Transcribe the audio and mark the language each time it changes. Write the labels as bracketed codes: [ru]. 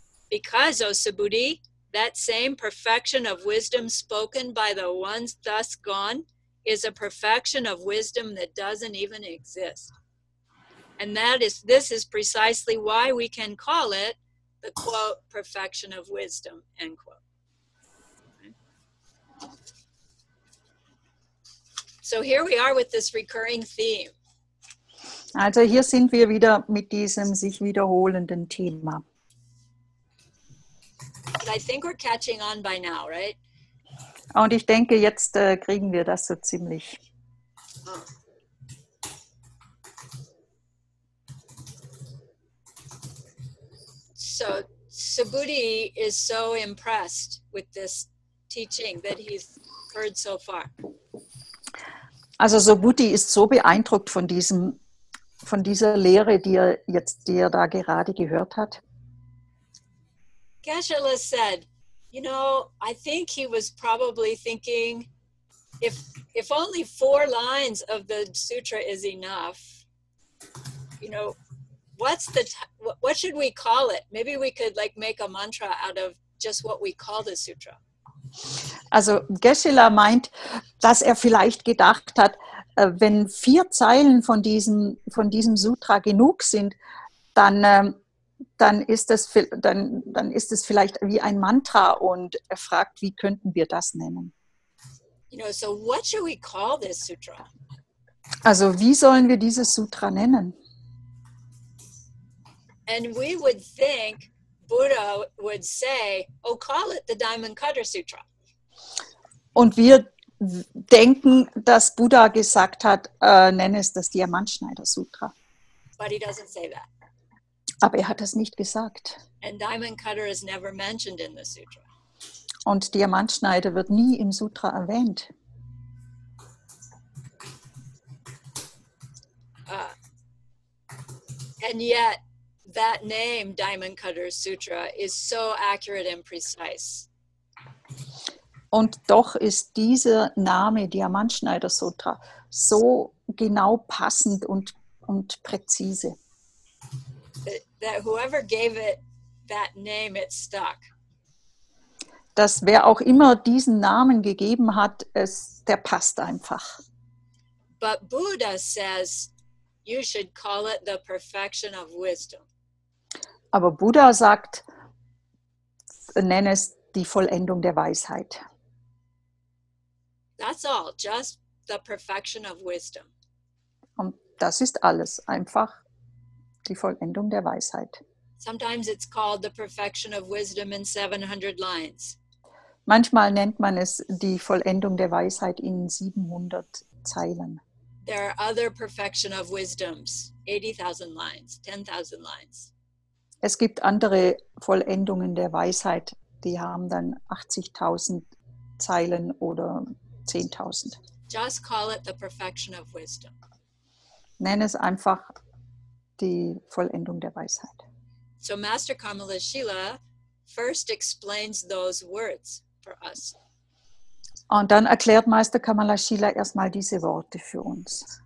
[en] Because, O Subhuti, that same perfection of wisdom spoken by the ones thus gone is a perfection of wisdom that doesn't even exist. And that is, this is precisely why we can call it the, quote, perfection of wisdom, end quote. So here we are with this recurring theme. [de] Also hier sind wir wieder mit diesem sich wiederholenden Thema. [en] I think we're catching on by now, right? [de] Und ich denke, jetzt kriegen wir das so ziemlich. [en] So Subhuti is so impressed with this teaching that he's heard so far. [de] Also Subhuti ist so beeindruckt von diesem, von dieser Lehre, die er jetzt, die er da gerade gehört hat. [en] Geshe-la said, you know, I think he was probably thinking, if only four lines of the sutra is enough, you know, what should we call it? Maybe we could like make a mantra out of just what we call the sutra. [de] Also Geshe-la meint, dass er vielleicht gedacht hat, wenn vier Zeilen von diesem Sutra genug sind, dann ist es vielleicht wie ein Mantra, und er fragt, wie könnten wir das nennen? [en] You know, so what should we call this sutra? [de] Also wie sollen wir dieses Sutra nennen? [en] And we would think Buddha would say, oh, call it the Diamond Cutter Sutra. [de] Und wir denken, dass Buddha gesagt hat, nenne es das Diamantschneider-Sutra. [en] But he doesn't say that. [de] Aber er hat das nicht gesagt. [en] And Diamond Cutter is never mentioned in the sutra. [de] Und Diamantschneider wird nie im Sutra erwähnt. [en] And yet, that name, Diamond Cutter Sutra, is so accurate and precise. [de] Und doch ist dieser Name Diamantschneider Sutra so genau passend und präzise. [en] That whoever gave it that name, it stuck. [de] Dass wer auch immer diesen Namen gegeben hat, der passt einfach. [en] But Buddha says you should call it the perfection of wisdom. [de] Aber Buddha sagt, nenne es die Vollendung der Weisheit. [en] That's all, just the perfection of wisdom. [de] Und das ist alles, einfach die Vollendung der Weisheit. [en] Sometimes it's called the perfection of wisdom in 700 lines. [de] Manchmal nennt man es die Vollendung der Weisheit in 700 Zeilen. [en] There are other perfection of wisdoms, 80,000 lines, 10,000 lines. [de] Es gibt andere Vollendungen der Weisheit, die haben dann 80.000 Zeilen oder 10.000. [en] Just call it the perfection of wisdom. [de] Nenn es einfach die Vollendung der Weisheit. [en] So Master Karmala Shila first explains those words for us. [de] Und dann erklärt Meister Karmala Shila erstmal diese Worte für uns.